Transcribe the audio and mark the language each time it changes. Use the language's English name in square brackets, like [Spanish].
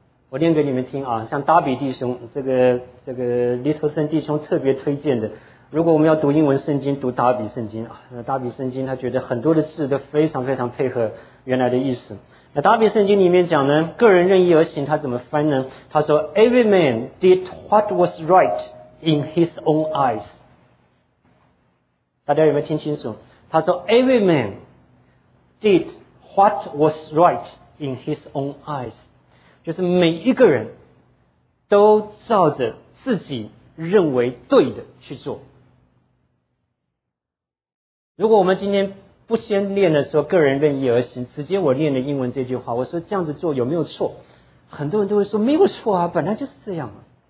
[Chinese] 我念给你们听啊，像达比弟兄这个利托森弟兄特别推荐的，如果我们要读英文圣经，读达比圣经啊，那达比圣经他觉得很多的字都非常非常配合原来的意思。那达比圣经里面讲呢，个人任意而行，他怎么翻呢？他说 [English] ，Every man did what was right in his own eyes。 [Chinese] 大家有没有听清楚？他说 [English] ，Every man did what was right in his own eyes。 [Chinese] 就是每一个人都照着自己认为对的去做。如果我们今天不先练的说个人任意而行，直接我练了英文这句话，我说这样子做有没有错，很多人都会说没有错啊，本来就是这样啊。